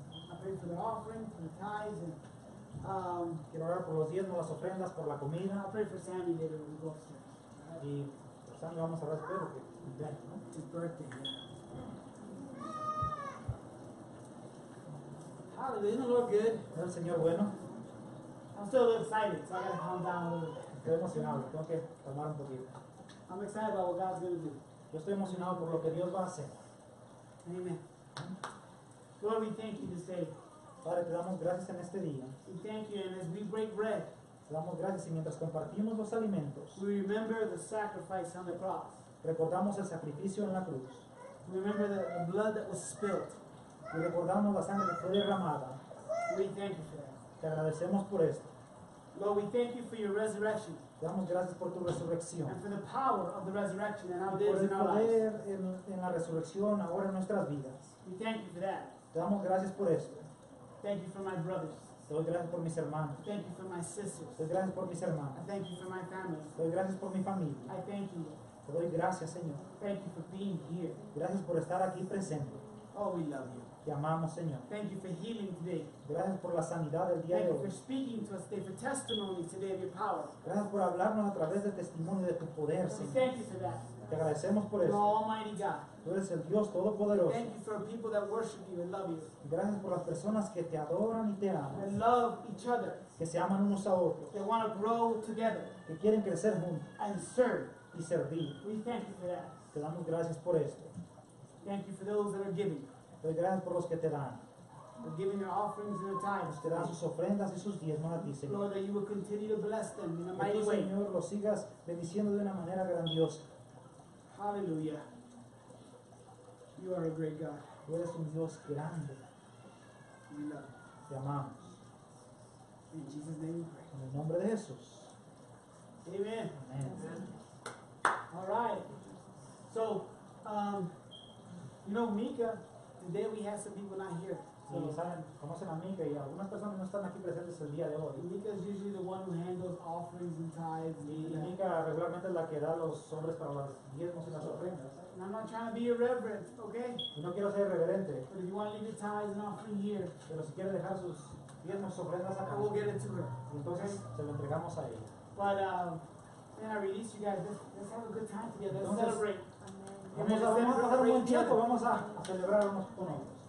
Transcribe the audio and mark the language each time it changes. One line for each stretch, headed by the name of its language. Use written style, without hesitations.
English: I pray for the offering, for the tithes, and
Spanish: quiero orar por los diezmos, las ofrendas, por la comida.
English: I'll pray for Sammy later when we go upstairs.
Spanish: Y por Sammy vamos a orar, espero que cumplan, ¿no?
English: It's his birthday, yeah. Hallelujah, isn't it look good?
Spanish: ¿Es el Señor bueno?
English: I'm still a little excited, so I got to calm down a little bit.
Spanish: Estoy emocionado, tengo que calmar un poquito.
English: I'm excited about what God's going to do.
Spanish: Yo estoy emocionado por lo que Dios va a hacer.
English: Amen. Lord, we thank you this day.
Spanish: Padre, te damos gracias en este día.
English: We thank you, and as we break bread,
Spanish: te damos gracias, y mientras compartimos los alimentos,
English: we remember the sacrifice on the cross.
Spanish: Recordamos el sacrificio en la cruz.
English: We remember the blood that was spilled.
Spanish: Y recordamos la sangre que fue derramada.
English: We thank you for that.
Spanish: Te agradecemos por esto.
English: Lord, we thank you for your resurrection.
Spanish: Te damos gracias por tu resurrección.
English: And for the power of the resurrection and how it lives in our lives.
Spanish: Por el poder en la resurrección ahora en nuestras vidas.
English: We thank you for that.
Spanish: Te damos gracias por esto.
English: Thank you for my brothers.
Spanish: Te doy gracias por mis hermanos.
English: Thank you for my sisters.
Spanish: Te doy gracias por mis hermanos.
English: I thank you for my family.
Spanish: Te doy gracias por mi familia.
English: I thank you.
Spanish: Te doy gracias, Señor.
English: Thank you for being here.
Spanish: Gracias por estar aquí presente.
English: Oh, we love you.
Spanish: Te amamos, Señor.
English: Thank you for healing today.
Spanish: Gracias por la sanidad del día
English: thank
Spanish: de hoy.
English: Thank you for speaking to us today, for testimony today of your power.
Spanish: Gracias por hablarnos a través del testimonio de tu poder, Señor.
English: We thank you for that.
Spanish: Te agradecemos por
English: you're
Spanish: esto.
English: You're Almighty God.
Spanish: Tú eres el Dios Todopoderoso.
English: Thank you for people that worship you and love you.
Spanish: Gracias por las personas que te adoran y te aman.
English: That love each other.
Spanish: Que se aman unos a otros.
English: They want to grow together.
Spanish: Que quieren crecer juntos.
English: And serve.
Spanish: Y servir.
English: We thank you for that.
Spanish: Te damos gracias por esto.
English: Thank you for those that are giving.
Spanish: Doy gracias por los que te dan.
English: For giving your offerings and their tithes.
Spanish: Te dan sus ofrendas y sus diezmos a ti, Señor.
English: Lord, that you will continue to bless them in a mighty way.
Spanish: Que tú, Señor, los sigas bendiciendo de una manera grandiosa.
English: Hallelujah. You are a great God.
Spanish: Tú eres un Dios grande.
English: We love.
Spanish: Te amamos.
English: In Jesus' name we pray.
Spanish: En el nombre de Jesús. Amen. Amen.
English: All right. So, you know, Mika, today we had some people not here. So,
Spanish: y saben, conocen a Mika y algunas personas no están aquí presentes el día de hoy.
English: Mika is usually the one who handles offerings and tithes.
Spanish: Y Mika regularmente es la que da los sobres para los diezmos y las ofrendas.
English: And I'm not trying to be irreverent, okay?
Spanish: Y no quiero ser irreverente.
English: But if you want to leave your tithes and offering here,
Spanish: pero si quiere dejar sus diezmos y ofrendas acá,
English: we'll get it to her.
Spanish: Y entonces, okay, se lo entregamos a ella.
English: But, man, I release you guys. Let's have a good time together. Let's
Spanish: entonces,
English: celebrate.
Spanish: Vamos a pasar un buen tiempo, vamos a celebrar unos con otros.